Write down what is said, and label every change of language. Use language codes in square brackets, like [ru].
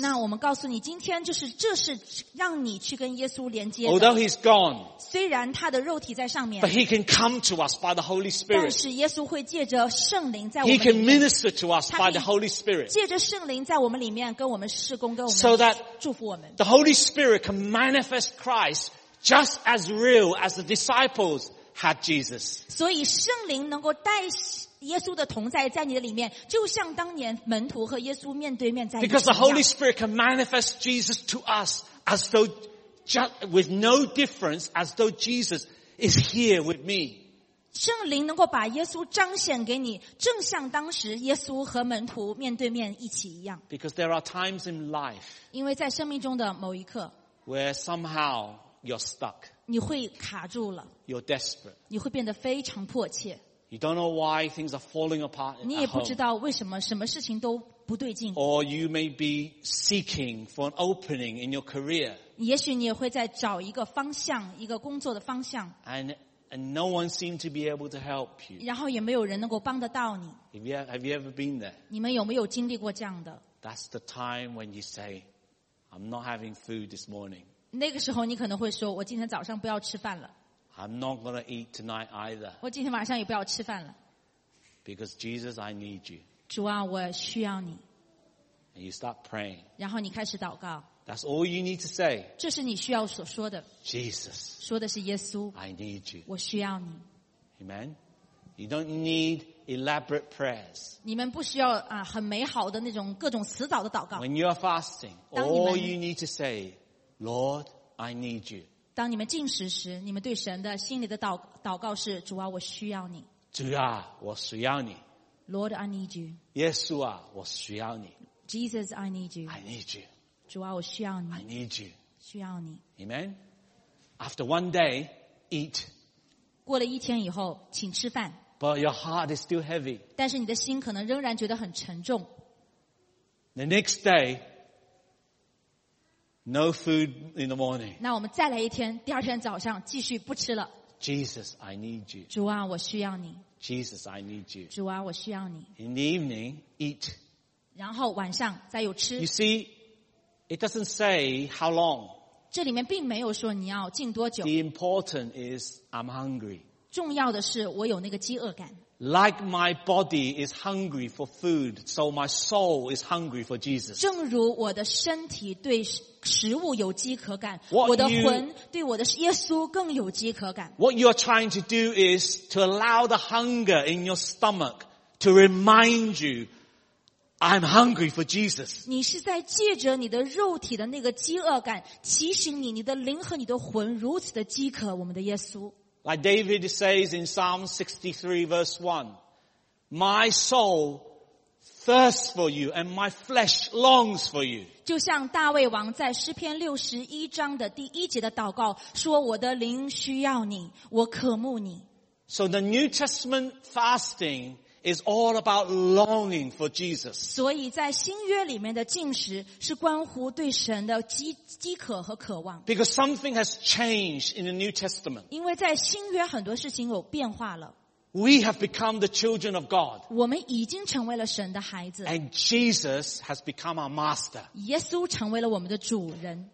[zh] 那我们告诉你今天就是这是让你去跟耶稣连接的。 [en] Although he's gone. [zh] 虽然他的肉体在上面。 [en] But he can come to us by the Holy Spirit. [zh] 但是耶稣会借着圣灵在我们里面。 [en] He can minister to us by the Holy Spirit. [zh] 借着圣灵在我们里面跟我们事工跟我们祝福我们。 [en] So that the Holy Spirit can manifest Christ just as real as the disciples had Jesus. [zh] 所以圣灵能够带耶稣的同在在你的里面，就像当年门徒和耶稣面对面在一起。 [en] Because the Holy Spirit can manifest Jesus to us as though just with no difference as though Jesus is here with me. [zh] 圣灵能够把耶稣彰显给你，正像当时耶稣和门徒面对面一起一样。 [en] Because there are times in life. [zh] 因为在生命中的某一刻。 [en] Where somehow,You're stuck. [zh] 你会卡住了。 [en] You're desperate. [zh] 你会变得非常迫切。 [en] You don't know why things are falling apart. [zh] 你也不知道为什么什么事情都不对劲。 [en] Or you may be seeking for an opening in your career. [zh] 也许你也会在找一个方向，一个工作的方向。 [en] And no one seemed to be able to help you. [zh] 然后也没有人能够帮得到你。 [en] Have you ever been there? [zh] 你们有没有经历过这样的？ [en] That's the time when you say, I'm not having food this morning. [zh] 那个时候你可能会说我今天早上不要吃饭了。 [en] I'm not going to eat tonight either. [zh] 我今天晚上也不要吃饭了。 [en] Because Jesus, I need you. [zh] 主啊我需要你。 [en] And you start praying. [zh] 然后你开始祷告。 [en] That's all you need to say. [zh] 这是你需要所说的。 [en] Jesus. [zh] 说的是耶稣。 [en] I need you. [zh] 我需要你。 [en] Amen. You don't need elaborate prayers. [zh] 你们不需要很美好的那种各种辞藻的祷告。 [en] When you are fasting, all you need to say,Lord, I need you. [zh] 当你们禁食时，你们对神的心里的祷告是：主啊，我需要你。主啊，我需要你。 [en] Lord, I need you. [zh] 耶稣啊，我需要你。 [en] Jesus, I need you. I need you. [zh] 主啊，我需要你。 [en] I need you. [zh] 需要你。 [en] Amen. After one day, eat. [zh] 过了一天以后，请吃饭。 [en] But your heart is still heavy. [zh] 但是你的心可能仍然觉得很沉重。 [en] The next day. No food in the morning. [zh] 那我们再来一天，第二天早上继续不吃了。 [en] Jesus, I need you. [zh] 主啊，我需要你。 [en] Jesus, I need you. [zh] 主啊，我需要你。 [en] In the evening, eat. [zh] 然后晚上再有吃。 [en] You see, it doesn't say how long. [zh] 这里面并没有说你要静多久。 [en] The important is I'm hungry. [zh] 重要的是我有那个饥饿感。 [en] Like my body is hungry for food, so my soul is hungry for Jesus. [zh] 正如我的身体对食物有饥渴感，我的魂对我的耶稣更有饥渴感。 [en] What you are trying to do is to allow the hunger in your stomach to remind you, I'm hungry for Jesus. [zh] 你是在借着你的肉体的那个饥饿感，提醒你，你的灵和你的魂如此的饥渴我们的耶稣。 [en] Like David says in Psalm 63 verse 1, My soul thirsts for you and my flesh longs for you. [zh] 就像大卫王在诗篇61章的第一节的祷告说我的灵需要你，我渴慕你。 [en] So the New Testament fasting is all about longing for Jesus. [zh] 所以在新约里面的禁食是关乎对神的 饥渴和渴望。 [en] Because something has changed in the New Testament. [zh] 因为在新约很多事情有变化了。 [en] We have become the children of God. [zh] 我们已经成为了神的孩子。 [en] And Jesus has become our master. [zh] 耶稣成为了我们的主人。